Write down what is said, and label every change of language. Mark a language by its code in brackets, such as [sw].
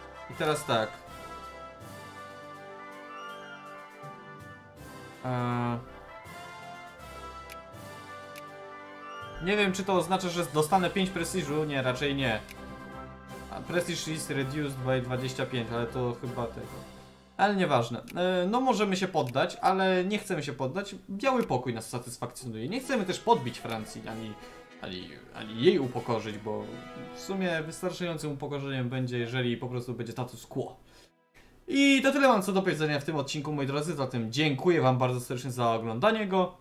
[pl] I teraz tak. Nie wiem, czy to oznacza, że dostanę 5 prestiżu. Nie, raczej nie. [en] Prestige is reduced by 25, [pl] ale to chyba tego. Ale nieważne. No możemy się poddać, ale nie chcemy się poddać. Biały pokój nas satysfakcjonuje. Nie chcemy też podbić Francji, ani jej upokorzyć, bo w sumie wystarczającym upokorzeniem będzie, jeżeli po prostu będzie status quo. I to tyle mam co do powiedzenia w tym odcinku, moi drodzy. Zatem dziękuję wam bardzo serdecznie za oglądanie go.